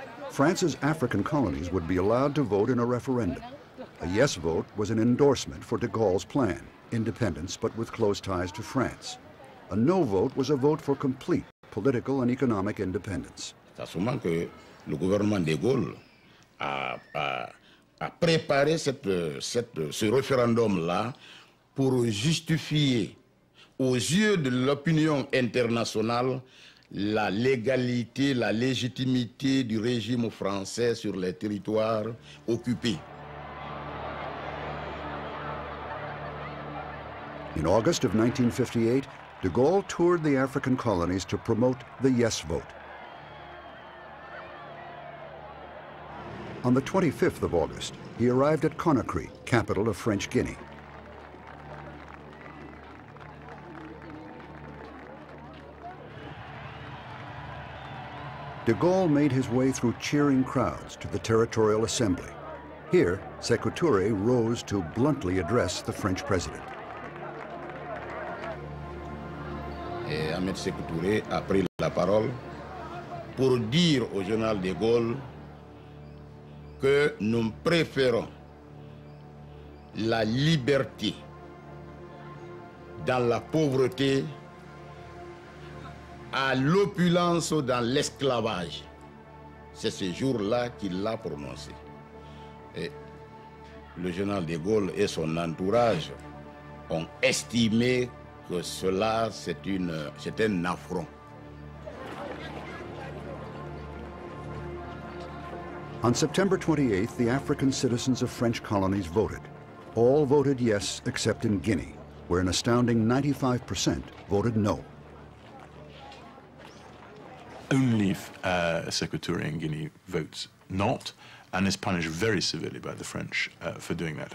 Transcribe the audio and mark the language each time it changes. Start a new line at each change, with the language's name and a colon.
English: France's African colonies would be allowed to vote in a referendum. A yes vote was an endorsement for de Gaulle's plan, independence but with close ties to France. A no vote was a vote for complete political and economic independence.
French: Le gouvernement de Gaulle a préparé ce référendum-là pour justifier aux yeux de l'opinion internationale la légalité, la légitimité du régime français sur les territoires occupés.
English: In August of 1958, de Gaulle toured the African colonies to promote the yes vote. On the 25th of August, he arrived at Conakry, capital of French Guinea. De Gaulle made his way through cheering crowds to the Territorial Assembly. Here, Sékou Touré rose to bluntly address the French president.
French: Ahmed Sékou Touré a pris la parole pour dire au général de Gaulle que nous préférons la liberté dans la pauvreté à l'opulence dans l'esclavage. C'est ce jour-là qu'il l'a prononcé. Et le général de Gaulle et son entourage ont estimé que cela, c'est un affront.
English: On September 28th, the African citizens of French colonies voted. All voted yes, except in Guinea, where an astounding 95% voted no. Only Sékou Touré in Guinea votes not, and is punished very severely by the French for doing that.